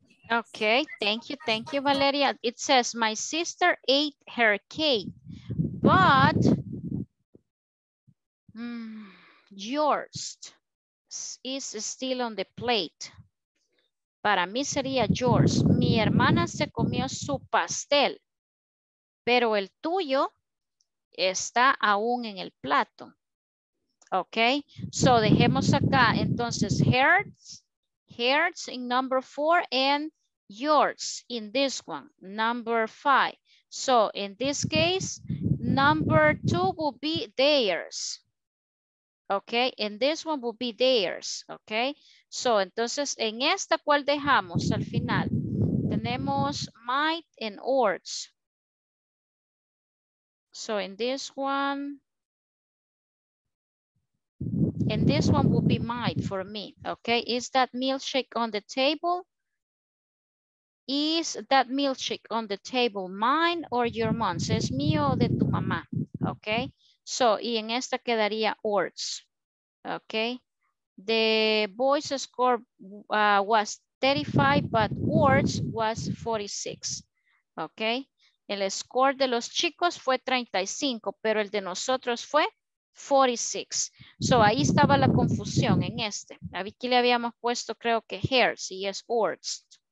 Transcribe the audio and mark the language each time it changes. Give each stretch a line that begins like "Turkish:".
English: Okay, thank you, Valeria. It says my sister ate her cake, but yours is still on the plate.
Spanish: Para mí sería yours. Mi hermana se comió su pastel, pero el tuyo está aún en el plato. Ok. So dejemos acá.
English: Entonces, hers in number four and yours in this one, number five. So in this case, number two will be theirs. Ok. And this one will be theirs. Ok.
Spanish: So entonces, en esta, ¿cuál dejamos al final?
English: Tenemos might and ours. So in this one will be mine for me, okay? Is that milkshake on the table? Is that milkshake on the table mine or your mom's?
Spanish: ¿Es mío o de tu mamá? Okay? So, y en esta quedaría ours, okay?
English: The boys' score was 35, but ours was 46, okay?
Spanish: El score de los chicos fue 35, pero el de nosotros fue 46. So ahí estaba la confusión en este. Aquí le habíamos puesto, creo que hers y es words.